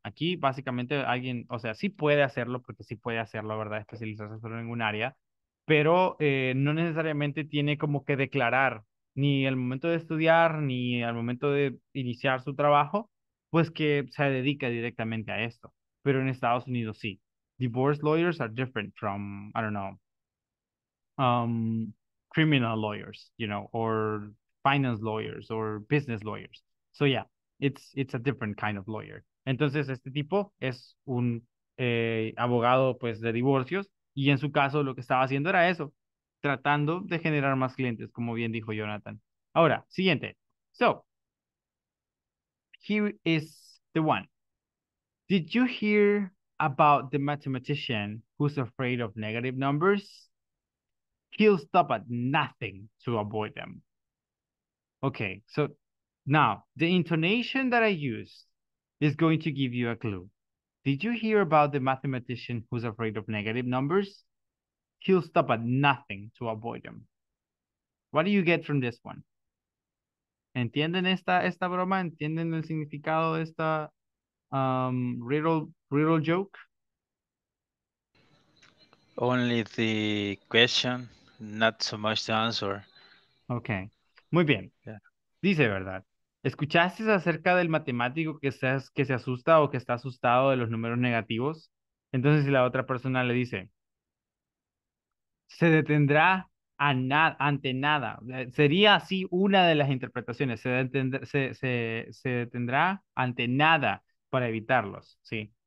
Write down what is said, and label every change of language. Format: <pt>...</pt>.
<es>Aquí básicamente alguien, o sea, sí puede hacerlo, porque sí puede hacerlo, ¿verdad? Especializarse solo en un área, pero no necesariamente tiene como que declarar ni al momento de estudiar ni al momento de iniciar su trabajo, pues que se dedica directamente a esto. Pero en Estados Unidos sí.</es> <en>Divorce lawyers are different from, I don't know, criminal lawyers, you know, or finance lawyers or business lawyers. So yeah, it's a different kind of lawyer. Entonces este tipo es un abogado pues de divorcios y en su caso lo que estaba haciendo era eso, tratando de generar más clientes, como bien dijo Jonathan.</en> <es>Ahora, siguiente.</es> <en>So, here is the one. Did you hear about the mathematician who's afraid of negative numbers? He'll stop at nothing to avoid them. Okay, so now the intonation that I used is going to give you a clue. Did you hear about the mathematician who's afraid of negative numbers? He'll stop at nothing to avoid them. What do you get from this one?</en> <es>¿Entienden esta broma? ¿Entienden el significado de esta riddle joke?</es> <en>Only the question, not so much the answer.</en> <es>Okay, muy bien. Dice, ¿verdad? ¿Escuchaste acerca del matemático que se asusta o que está asustado de los números negativos? Entonces, si la otra persona le dice, se detendrá a na ante nada. Sería así una de las interpretaciones. Se detendrá ante nada para evitarlos, ¿sí?</es>